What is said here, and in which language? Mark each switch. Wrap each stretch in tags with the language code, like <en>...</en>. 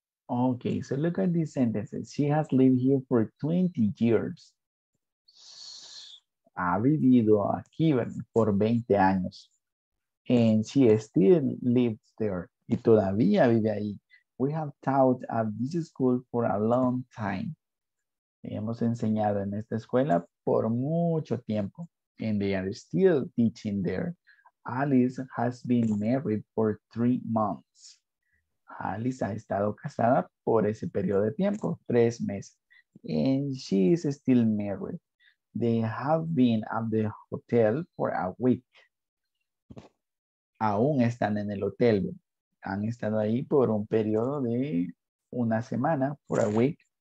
<en>Okay, so look at these sentences. She has lived here for 20 years.</en> <es>Ha vivido aquí por 20 años.</es> <en>And she still lives there.</en> <es>Y todavía vive ahí.</es> <en>We have taught at this school for a long time.</en> <es>Hemos enseñado en esta escuela por mucho tiempo.</es> <en>And they are still teaching there. Alice has been married for 3 months.</en> <es>Alice ha estado casada por ese periodo de tiempo, 3 meses.</es> <en>And she is still married. They have been at the hotel for a week.</en> <es>Aún están en el hotel. Han estado ahí por un periodo de una semana,</es> <en>for a week.</en>